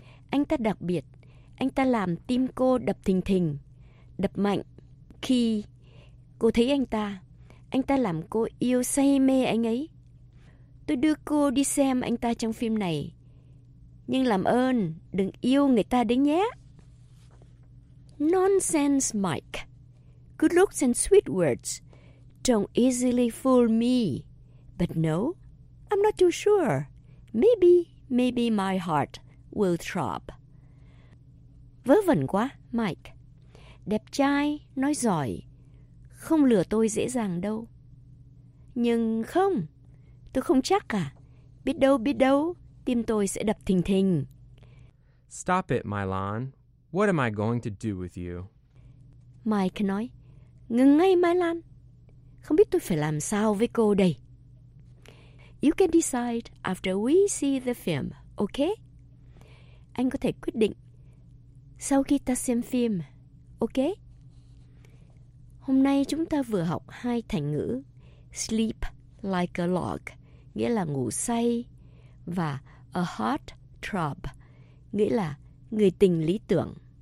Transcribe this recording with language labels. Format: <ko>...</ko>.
<vi>Anh ta đặc biệt, anh ta làm tim cô đập thình thình, đập mạnh. Khi cô thấy anh ta làm cô yêu say mê anh ấy. Tôi đưa cô đi xem anh ta trong phim này, nhưng làm ơn đừng yêu người ta đấy nhé.</vi> <en>Nonsense, Mike. Good looks and sweet words don't easily fool me. But no, I'm not too sure. Maybe my heart will throb.</en> <vi>Vớ vẩn quá, Mike. Đẹp trai, nói giỏi. Không lừa tôi dễ dàng đâu. Nhưng không, tôi không chắc cả. Biết đâu, tim tôi sẽ đập thình thình.</vi> <en>Stop it, Mylon. What am I going to do with you?</en> <vi>Mike nói, ngừng ngay, Mylon. Không biết tôi phải làm sao với cô đây.</vi> <en>You can decide after we see the film, okay?</en> <vi>Anh có thể quyết định sau khi ta xem phim, okay? Hôm nay chúng ta vừa học hai thành ngữ, sleep like a log, nghĩa là ngủ say, và a hot trob, nghĩa là người tình lý tưởng.</vi>